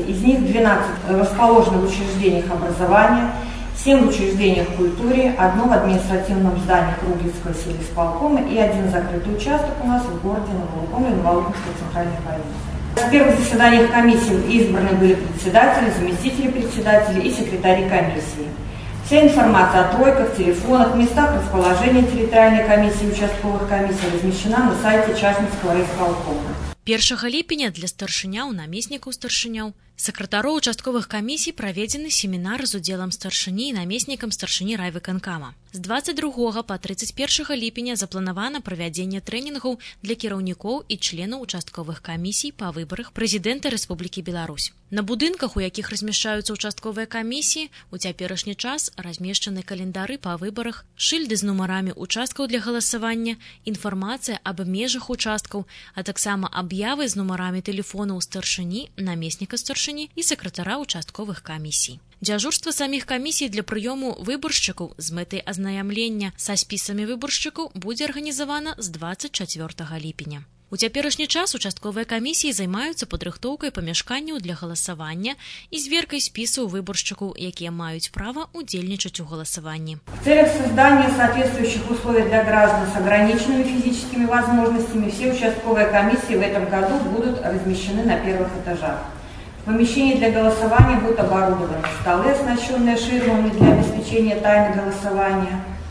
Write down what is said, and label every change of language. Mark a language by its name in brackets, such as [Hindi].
[Russian] Из них 12 расположены в учреждениях образования, 7 в учреждениях культуры, 1 в административном здании Круглицкого сельсполкома и 1 закрытый участок у нас в городе Новолуковой на Новолуковской центральной больнице. В первых заседаниях комиссии избраны были председатели, заместители председателей и секретари комиссии. Вся информация о тройках, телефонах, местах расположения территориальной комиссии и участковых комиссий размещена на сайте Чашніцкага райисполкома. [Belarusian] 1 ліпеня для старшыняў, намеснікаў старшыняў, сакратароў участковых камісій праведзены семінар з удзелам старшыні і намеснікам старшыні райвыканкама. З 22 па 31 ліпеня запланавана правядзенне трэнінгаў для кіраўнікоў і членаў участковых камісій па выбарах прэзідэнта Рэспублікі Беларусь. На будынках, у якіх размяшчаюцца участковыя камісіі, у цяперашні час размешчаны календары па выбарах, шыльды з нумарамі участкаў для галасавання, інфармацыя аб межах участкаў, а таксама аб'явы з нумарамі тэлефонаў старшыні, намесніка старшыні і сакратара участковых камісій. Дзяжурства саміх камісій для прыёму выбаршчыкаў з мэтай азнаямлення са спісамі выбаршчыкаў будзе арганізавана з 24 ліпеня. У цяперашні час участковыя камісіі займаюцца падрыхтоўкай памяшканняў для галасавання і зверкай спісаў выбаршчыкаў, якія маюць права ўдзельнічаць у галасаванні. [Russian] В целях создания соответствующих условий для граждан с ограниченными физическими возможностями все участковые комиссии в этом году будут размещены на первых этажах. Помещение для голосования будет оборудовано. Столы, оснащенные ширмами для обеспечения тайны голосования.